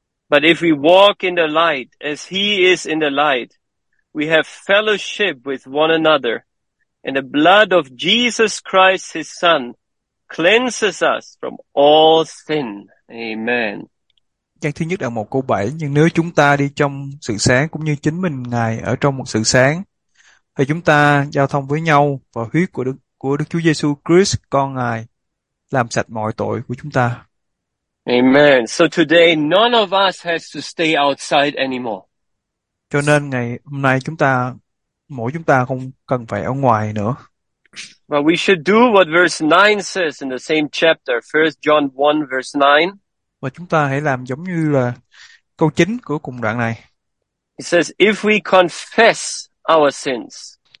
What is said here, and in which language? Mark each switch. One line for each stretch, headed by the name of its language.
English: But if we walk in the light as he is in the light, we have fellowship with one another, and the blood of Jesus Christ his son cleanses us from all sin. Amen.
Vietnamese: Văn thứ nhất đoạn 1 câu 7, nhưng nếu chúng ta đi trong sự sáng cũng như chính mình Ngài ở trong một sự sáng thì chúng ta giao thông với nhau và huyết của Đức Chúa Giêsu Christ con Ngài làm sạch mọi tội của chúng ta.
English: Amen. So today none of us has to stay outside anymore.
Vietnamese: Cho nên ngày hôm nay chúng ta không cần phải ở ngoài nữa.
English: But we should do what verse 9 says in the same chapter, 1 John 1 verse 9.
Vietnamese: Và chúng ta hãy làm giống như là câu 9 của cùng đoạn này.
English: It says if we confess our sins.